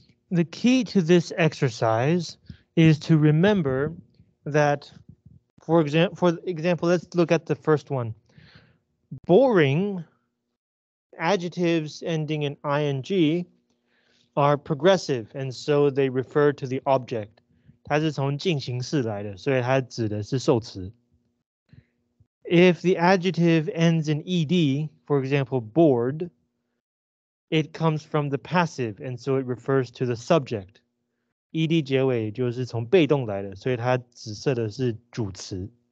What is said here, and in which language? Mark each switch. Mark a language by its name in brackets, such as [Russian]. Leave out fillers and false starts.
[English] the key to this exercise is to remember that, for example, let's look at the first one. Boring, adjectives ending in ing are progressive, and so they refer to the object. [Chinese] 它是从进行式来的，所以它指的是受词。 [English] If the adjective ends in ed, for example, bored, it comes from the passive, and so it refers to the subject. [Chinese] ed 结尾就是从被动来的，所以它指涉的是主词。